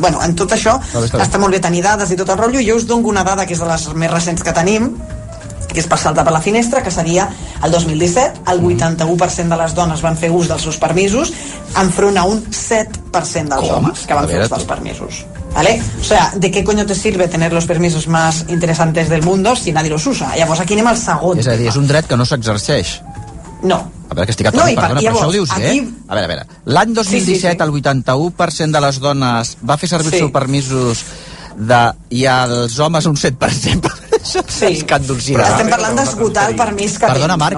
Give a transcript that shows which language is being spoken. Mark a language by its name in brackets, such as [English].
[Catalan] Bueno, en tot això està molt bé tenir dades i tot el rotllo. Jo us dono una dada que és de les més recents que tenim, que és per saltar per la finestra, que seria el 2017, el 81% de les dones van fer ús dels seus permisos, enfront a un 7% dels homes que van fer ús dels permisos. [Spanish] ¿Vale? O sea, ¿de qué coño te sirve tener los permisos más interesantes del mundo si nadie los usa? [Catalan] Llavors, aquí anem al segon. És a dir, és un dret que no s'exerceix. No. A veure, que estic atornant, perdona, llavors, però això ho dius, aquí... eh? A veure, a veure. L'any 2017, sí, sí, sí. El 81% de les dones va fer servir els seus permisos de... i els homes un 7%. Sí. Estem parlant d'esgotar el permís que perdona, Marc,